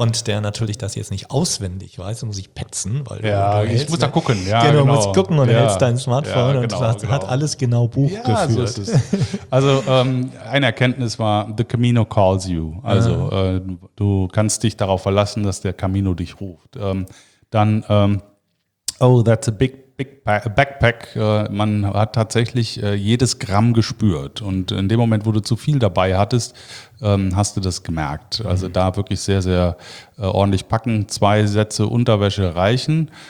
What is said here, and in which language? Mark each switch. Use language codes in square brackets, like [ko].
[de] Und der natürlich das jetzt nicht auswendig weiß, muss ich petzen. Weil, ja, ich muss da gucken. Ja, genau, genau. Musst gucken und, ja, hältst dein Smartphone, ja, genau, und sagst, genau, hat alles genau Buch, ja, geführt. So ist es. Also eine Erkenntnis war, [en] the Camino calls you. [de] Also du kannst dich darauf verlassen, dass der Camino dich ruft. Dann, [en] oh, that's a big backpack. [de] Man hat tatsächlich jedes Gramm gespürt. Und in dem Moment, wo du zu viel dabei hattest, hast du das gemerkt. Also da wirklich sehr, sehr ordentlich packen. Zwei Sätze Unterwäsche reichen.